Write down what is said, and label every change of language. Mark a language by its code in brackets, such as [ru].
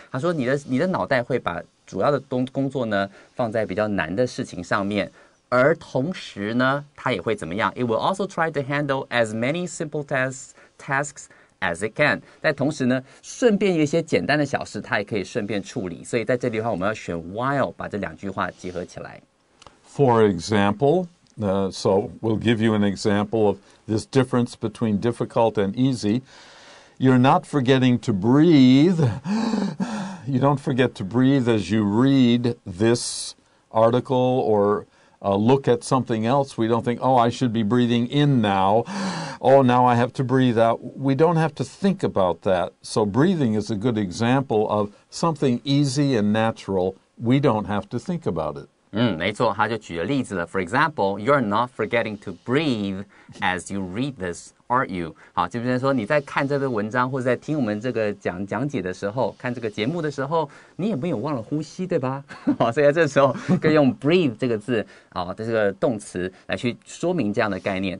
[zh] 他说你的脑袋会把主要的工作呢放在比较难的事情上面。而同时呢，它也会怎么样 [en] ？It will also try to handle as many simple tasks as it can. [zh] 但同时呢，顺便一些简单的小事，它也可以顺便处理。所以在这里的话，我们要选 while 把这两句话结合起来。 [en] For example, so we'll give you an example of this difference between difficult and easy. You're not forgetting to breathe. You don't forget to breathe as you read this article or. Look at something else, we don't think, oh, I should be breathing in now. Oh, now I have to breathe out. We don't have to think about that. So breathing is a good example of something easy and natural. We don't have to think about it. [zh] 没错，他就举了例子了。 [en] For example, you're not forgetting to breathe as you read this, are you? [zh] 好，就比如说你在看这个文章或者在听我们这个讲解的时候，看这个节目的时候，你也没有忘了呼吸，对吧？好，所以在这时候可以用 breathe 这个字啊的这个动词来去说明这样的概念。